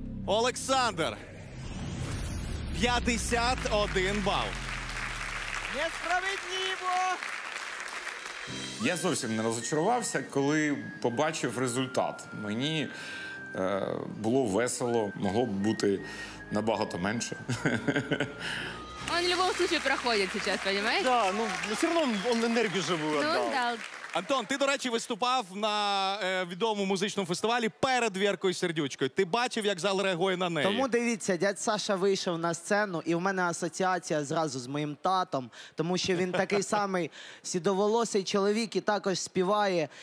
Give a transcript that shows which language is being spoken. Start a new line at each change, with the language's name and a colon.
Ukrainian: Олександр! 51 бал. Несправедливо! Я зовсім не розочарувався, коли побачив результат. Мені було весело, могло б бути набагато менше.
Russian: Он в любом случае проходит сейчас, понимаешь? Да, ну все равно он энергию живую отдал. Ну, да.
Ukrainian: Антон, ти, до речі, виступав на відомому музичному фестивалі перед Віркою Сердючкою. Ти бачив, як зал реагує на неї? Тому дивіться, дядь Саша вийшов на сцену, і в мене асоціація зразу з моїм татом, тому що він такий самий сідоволосий чоловік і також співає.